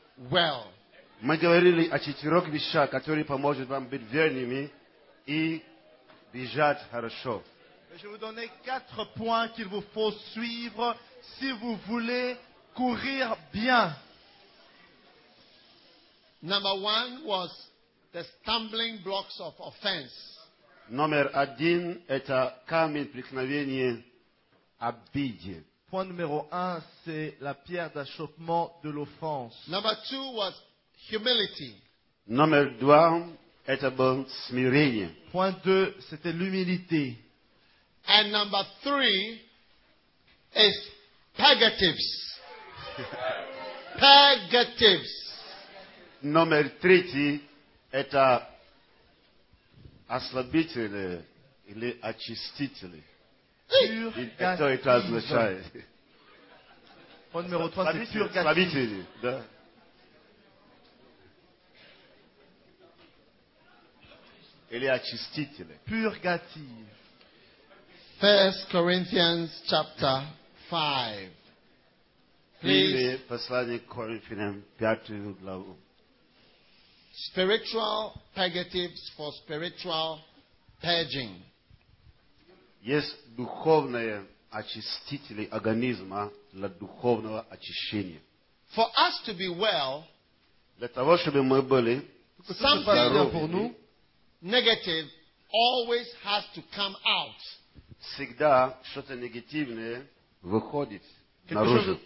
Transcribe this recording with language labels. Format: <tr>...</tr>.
<ru>четырех вещах, которые поможет вам быть верными и бежать хорошо.</ru> <fr>Je vous donne quatre points qu'il vous faut suivre si vous voulez courir bien.</fr> <en>Number one was the stumbling blocks of offense.</en> <ru>Номер один это камень преткновения обиде.</ru> <fr>Point numéro un c'est la pierre d'achoppement de l'offense.</fr> <en>Number two was humility.</en> <ru>Номер два это было смирение.</ru> <fr>Point deux c'était l'humilité.</fr> <en>And number three is purgatives. Purgatives.</en> <ru>Номер третий это ослабители или очистители. Это и так означает.</ru> <fr>Point numéro trois c'est purgatives.</fr> <ru>Или очистители.</ru> <en>Purgative. 1 Corinthians chapter 5. Please.</en> <ru>Послание к Коринфянам, пятую главу.</ru> <en>Spiritual purgatives for spiritual purging.</en> <ru>Есть духовные очистители организма для духовного очищения.</ru> <en>For us to be well,</en> <ru>для того, чтобы мы были здоровыми,</ru> <en>negative always has to come out.</en> <ru>Всегда что-то негативное выходит наружу.</ru>